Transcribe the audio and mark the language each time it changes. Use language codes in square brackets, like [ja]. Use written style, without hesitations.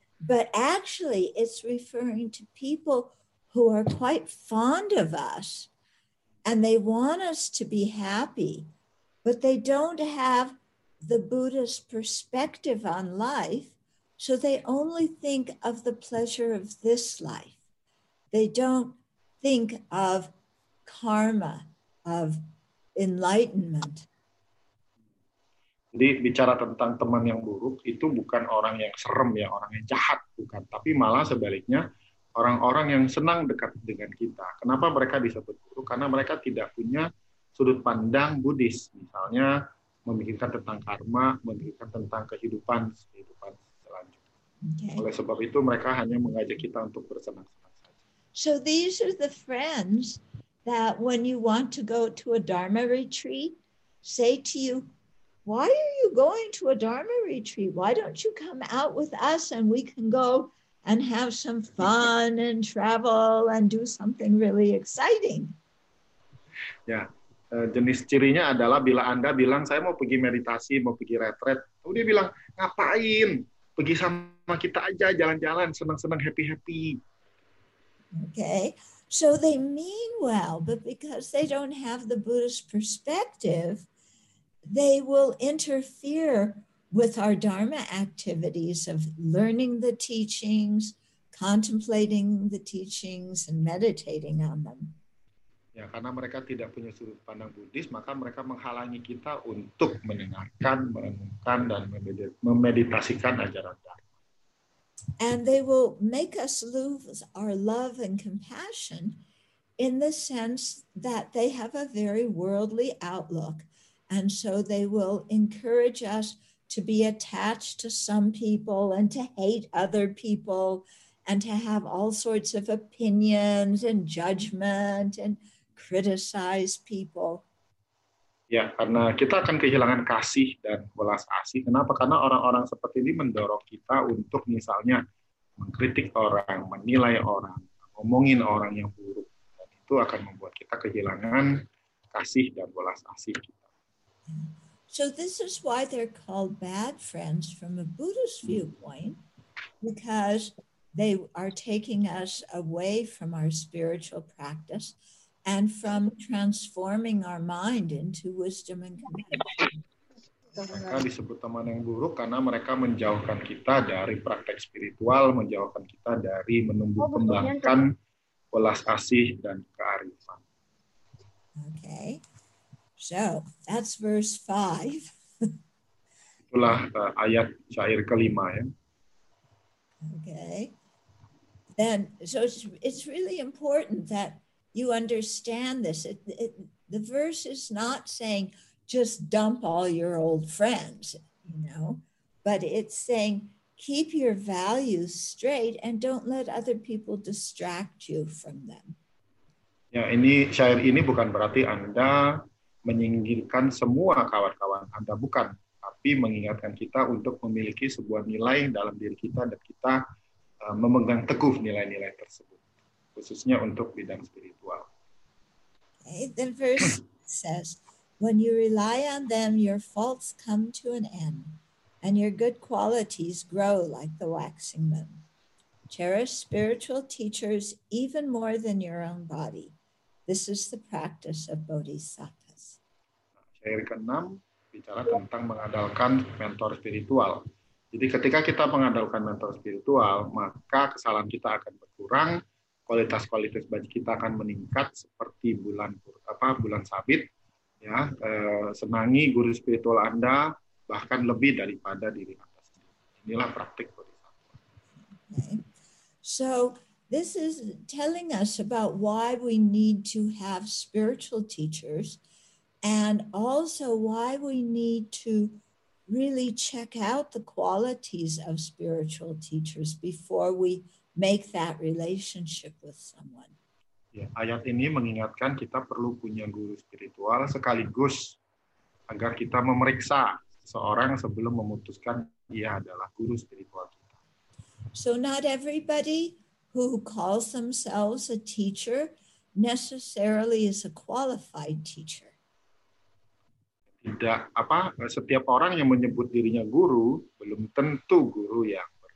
[en] But actually, it's referring to people who are quite fond of us and they want us to be happy, but they don't have the Buddhist perspective on life. So they only think of the pleasure of this life. They don't think of karma, of enlightenment. [id] Jadi bicara tentang teman yang buruk, itu bukan orang yang serem ya, orang yang jahat, bukan. Tapi malah sebaliknya, orang-orang yang senang dekat dengan kita. Kenapa mereka disebut buruk? Karena mereka tidak punya sudut pandang Buddhis. Misalnya, memikirkan tentang karma, memikirkan tentang kehidupan, kehidupan selanjutnya. [en] Okay. [id] Oleh sebab itu, mereka hanya mengajak kita untuk bersenang-senang. [en] So these are the friends that when you want to go to a Dharma retreat, say to you, why are you going to a Dharma retreat? Why don't you come out with us and we can go and have some fun and travel and do something really exciting? Yeah. [id] Jenis cirinya adalah bila Anda bilang, saya mau pergi meditasi, mau pergi retret. Oh, dia bilang, ngapain? Pergi sama kita aja, jalan-jalan, senang-senang, happy-happy. [en] Okay, so they mean well, but because they don't have the Buddhist perspective, they will interfere with our Dharma activities of learning the teachings, contemplating the teachings, and meditating on them. [id] Ya, karena mereka tidak punya sudut pandang Buddhis, maka mereka menghalangi kita untuk mendengarkan, merenungkan, dan memeditasikan ajaran Dharma. [en] And they will make us lose our love and compassion in the sense that they have a very worldly outlook. And so they will encourage us to be attached to some people and to hate other people and to have all sorts of opinions and judgment and criticize people. [id] Ya, karena kita akan kehilangan kasih dan welas asih. Kenapa? Karena orang-orang seperti ini mendorong kita untuk misalnya mengkritik orang, menilai orang, ngomongin orang yang buruk. Dan itu akan membuat kita kehilangan kasih dan welas asih kita. [en] So this is why they're called bad friends from a Buddhist viewpoint, because they are taking us away from our spiritual practice and from transforming our mind into wisdom and compassion. [id] Mereka disebut teman yang buruk karena mereka menjauhkan kita dari praktek spiritual, menjauhkan kita dari menumbuh kembangkan welas asih dan kearifan. [en] Okay. So, that's verse 5. [id] Itulah ayat syair kelima ya. [en] Okay. Then so it's really important that you understand this. The verse is not saying just dump all your old friends, you know, but it's saying keep your values straight and don't let other people distract you from them. [id] Ya, ini syair ini bukan berarti Anda menyingkirkan semua kawan-kawan Anda, bukan, tapi mengingatkan kita untuk memiliki sebuah nilai dalam diri kita dan kita memegang teguh nilai-nilai tersebut, khususnya untuk bidang spiritual. [en] Okay, then verse says, when you rely on them, your faults come to an end, and your good qualities grow like the waxing moon. Cherish spiritual teachers even more than your own body. This is the practice of bodhisattvas. [id] Syair ke-6 bicara tentang mengandalkan mentor spiritual. Jadi ketika kita mengandalkan mentor spiritual, maka kesalahan kita akan berkurang, kualitas-kualitas baju kita akan meningkat seperti bulan sabit, ya, senangi guru spiritual Anda bahkan lebih daripada diri Anda sendiri. Inilah praktik bodhisattva. [en] Okay. So this is telling us about why we need to have spiritual teachers and also why we need to really check out the qualities of spiritual teachers before we make that relationship with someone. [id] Ya, ayat ini mengingatkan kita perlu punya guru spiritual sekaligus agar kita memeriksa seorang sebelum memutuskan ia adalah guru spiritual kita. [en] So not everybody who calls themselves a teacher necessarily is a qualified teacher. [id] Tidak apa, setiap orang yang menyebut dirinya guru belum tentu guru yang.